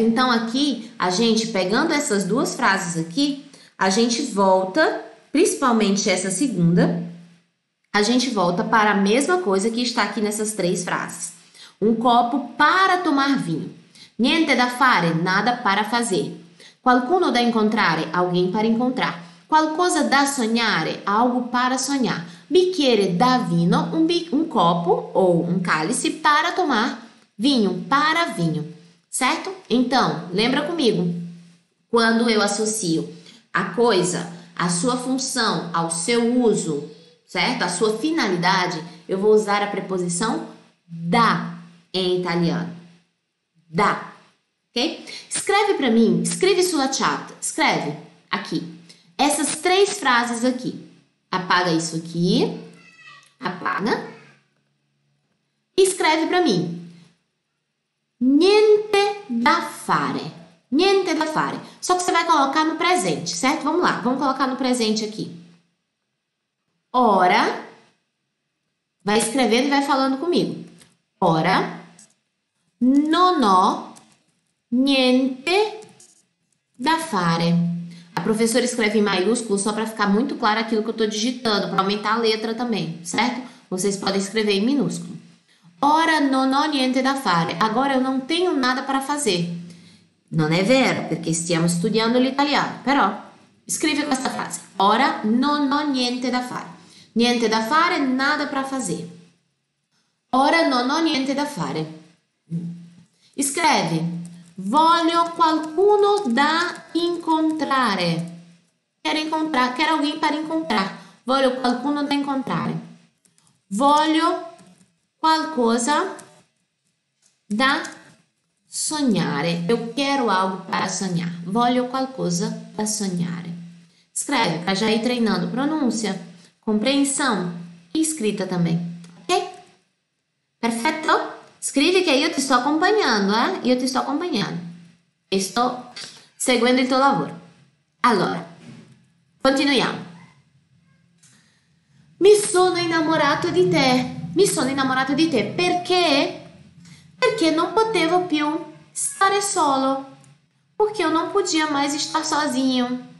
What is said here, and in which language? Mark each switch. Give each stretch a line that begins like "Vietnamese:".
Portuguese: Então aqui, a gente pegando essas duas frases aqui, a gente volta, principalmente essa segunda, a gente volta para a mesma coisa que está aqui nessas três frases. Um copo para tomar vinho.
Italian: Niente da fare,
Portuguese: nada para fazer.
Italian: Qualcuno da incontrare,
Portuguese: alguém para encontrar.
Italian: Qualcosa da sognare,
Portuguese: algo para
Italian: sognare. Bicchiere da vino,
Portuguese: un copo ou un calice para tomar vinho, para vinho, certo? Então, lembra comigo, quando eu associo a coisa, a sua função, ao seu uso, certo? A sua finalidade, eu vou usar a preposição da em italiano. Da, ok? Escreve para mim, escreve
Italian: sulla chat,
Portuguese: escreve aqui. Essas três frases aqui. Apaga isso aqui. Apaga. E escreve para mim.
Italian: Niente da fare. Niente da fare.
Portuguese: Só que você vai colocar no presente, certo? Vamos lá, vamos colocar no presente aqui. Ora, vai escrevendo e vai falando comigo.
Italian: Ora, non ho niente da fare.
Portuguese: A professora escreve em maiúsculo só para ficar muito claro aquilo que eu estou digitando, para aumentar a letra também, certo? Vocês podem escrever em minúsculo.
Italian: Ora, non ho niente da fare.
Portuguese: Agora eu não tenho nada para fazer. Não é vero, porque
Italian: stiamo studiando l'italiano.
Portuguese: Però, escreve com essa frase.
Italian: Ora, non ho niente da fare. Niente da fare,
Portuguese: nada para fazer.
Italian: Ora, non ho niente da fare. Escreve. Voglio qualcuno da incontrare.
Portuguese: Quero alguém para incontrar.
Italian: Voglio qualcuno da incontrare. Voglio qualcosa da sognare.
Portuguese: Eu quero algo para sognare.
Italian: Voglio qualcosa da sognare.
Portuguese: Escreve, para já ir treinando pronúncia, compreensão e escrita também. Perfetto? Escreve que aí eu te estou acompanhando, eh? Eu te estou acompanhando. Estou seguindo
Italian: il tuo lavoro. Allora, continuiamo. Mi sono innamorato di te. Mi sono innamorato di te perché? Perché non potevo più stare solo. Perché io
Portuguese: non podia mais estar sozinho.